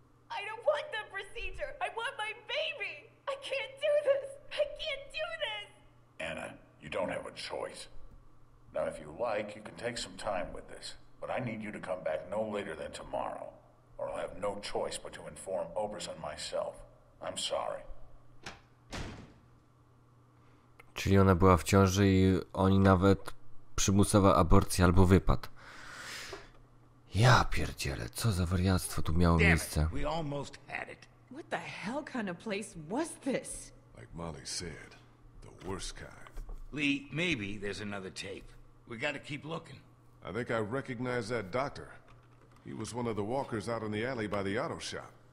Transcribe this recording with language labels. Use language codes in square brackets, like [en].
[en] I don't want the procedure. I want my baby. I can't do this. I can't do this. Anna, you don't have a choice. Now, if you like, you can take some time with this, but I need you to come back no later than tomorrow, or I'll have no choice but to inform Oberson myself. I'm sorry. [pl] Czyli ona była w ciąży i oni nawet przymusowa aborcja albo wypad. Ja pierdzielę, co za wariactwo tu miało miejsce. [en] We almost had it. What the hell kind of place was this? Like Molly said, the worst kind. Lee, maybe there's another tape. We gotta keep looking. I think I recognize that doctor. He was one of the walkers out in the alley by the auto shop.